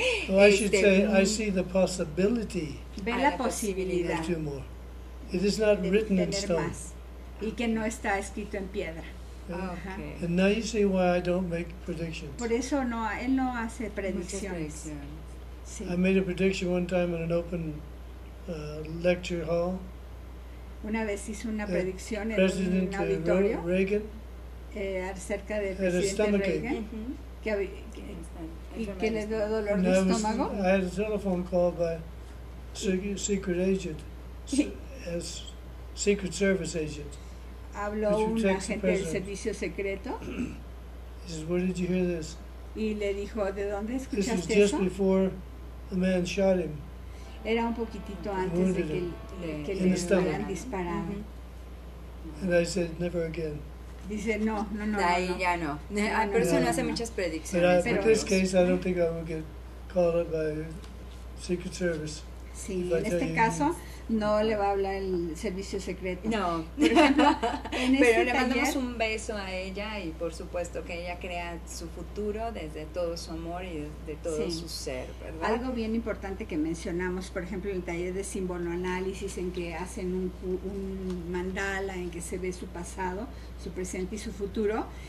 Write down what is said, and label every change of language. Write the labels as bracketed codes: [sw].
[en] I should say I see the possibility. [es] Ve la posibilidad. [en] Two more. It is not written in stone. [es] Más. Y que no está escrito en piedra. [en] Okay. And now you see why I don't make predictions. [es] Por eso no, él no hace predicciones. Sí. [en] I made a prediction one time in an open lecture hall. [es] Una vez hizo una predicción en un auditorio. [en] Reagan. [es] Acerca del presidente Reagan, que le dio dolor de estómago. [en] I had a telephone call by secret agent, as secret service agent. [es] Habló un agente del servicio secreto. [en] He says, "Where did you hear this?" [es] Y le dijo, ¿de dónde escuchaste eso? [en] This was just before the man shot him. [es] Era un poquitito antes de que le hubieran disparado. Mm-hmm. [en] And I said, "Never again." [es] Dice, no. De ahí ya no. La persona hace muchas predicciones. [en] But in this case, I don't think I will get called by Secret Service. [es] Sí, en este caso, no le va a hablar el servicio secreto. No. Pero le mandamos un beso a ella y, por supuesto, que ella crea su futuro desde todo su amor y de todo su ser, ¿verdad? Algo bien importante que mencionamos, por ejemplo, en el taller de símbolo análisis, en que hacen un mandala, en que se ve su pasado, su presente y su futuro.